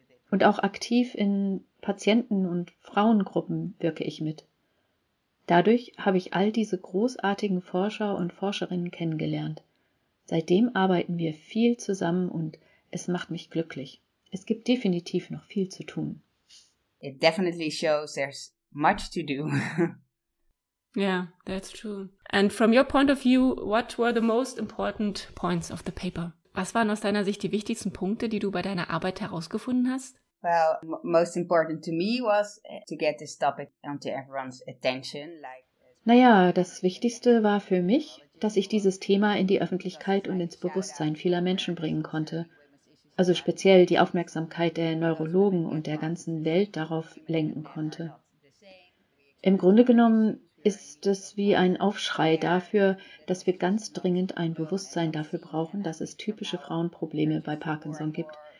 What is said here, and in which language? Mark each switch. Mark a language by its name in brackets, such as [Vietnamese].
[German] Und auch aktiv in Patienten- und Frauengruppen wirke ich mit. Dadurch habe ich all diese großartigen Forscher und Forscherinnen kennengelernt. Seitdem arbeiten wir viel zusammen und es macht mich glücklich. Es gibt definitiv noch viel zu tun. [English] It definitely shows there's much to do. Yeah, that's true. And from your point of view, what were the most important points of the paper? [German] Was waren aus deiner Sicht die wichtigsten Punkte, die du bei deiner Arbeit herausgefunden hast? [English] Well, most important to me was to get this topic onto everyone's attention. [German] Naja, das Wichtigste war für mich, dass ich dieses Thema in die Öffentlichkeit und ins Bewusstsein vieler Menschen bringen konnte. Also speziell die Aufmerksamkeit der Neurologen und der ganzen Welt darauf lenken konnte. Im Grunde genommen ist es wie ein Aufschrei dafür, dass wir ganz dringend ein Bewusstsein dafür brauchen, dass es typische Frauenprobleme bei Parkinson gibt.